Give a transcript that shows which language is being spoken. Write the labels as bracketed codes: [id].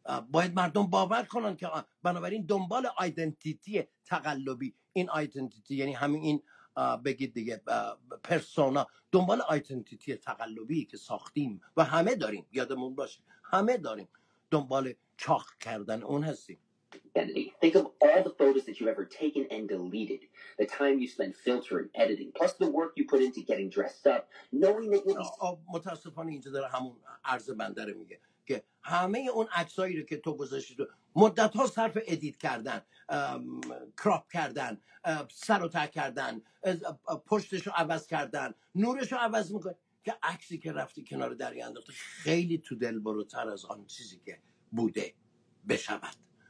[fa] باید مردم باور کنن که بنابراین دنبال آیدنتیتی تقلبی، این آیدنتیتی یعنی همین این بگید دیگه پرسونا، دنبال آیدنتیتی تقلبی که ساختیم و همه داریم، یادمون باشه همه داریم، دنبال چاخ کردن اون هستیم. [en] Identity. Think of all the photos that you've ever taken and deleted, the time you spend filtering, editing, plus the work you put into getting dressed up, knowing that you'll be... [fa] متاسفانه اینجا داره همون عرض بنده رو میگه که همه اون عکسایی رو که تو گذاشتی رو مدت ها صرف ادیت کردن، کراپ کردن، سر و ته کردن، پشتش رو عوض کردن، نورش رو عوض میکنی، که عکسی که رفتی کنار دریا انداختی خیلی تو دل بروتر از آن چیزی که بوده بشود.